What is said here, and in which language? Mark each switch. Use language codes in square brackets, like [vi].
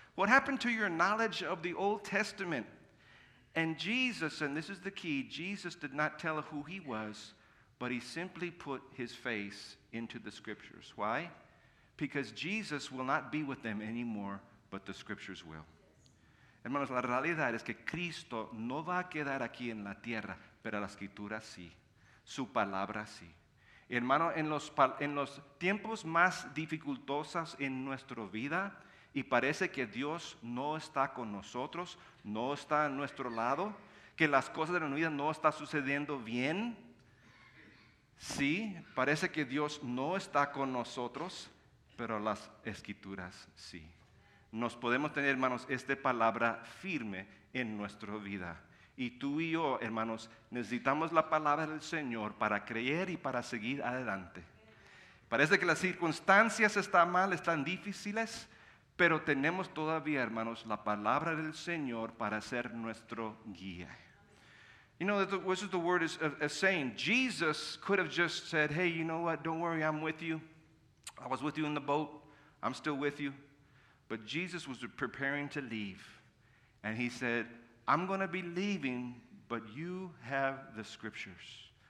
[en] What happened to your knowledge of the Old Testament? And Jesus, and this is the key, Jesus did not tell who he was, but he simply put his face into the scriptures. Why? Because Jesus will not be with them anymore, but the scriptures will. [es] Hermanos, la realidad es que Cristo no va a quedar aquí en la tierra, pero la escritura sí. Su palabra sí. Hermano, en los tiempos más dificultosos en nuestra vida, y parece que Dios no está con nosotros, no está a nuestro lado, que las cosas de la vida no están sucediendo bien, sí, parece que Dios no está con nosotros, pero las Escrituras sí. Nos podemos tener, hermanos, esta palabra firme en nuestra vida. Y tú y yo, hermanos, necesitamos la palabra del Señor para creer y para seguir adelante. Parece que las circunstancias están mal, están difíciles, pero tenemos todavía, hermanos, la palabra del Señor para ser nuestro guía. [en] You know, this is the word is saying. Jesus could have just said, hey, you know what, don't worry, I'm with you. I was with you in the boat. I'm still with you. But Jesus was preparing to leave. And he said, I'm going to be leaving, but you have the scriptures.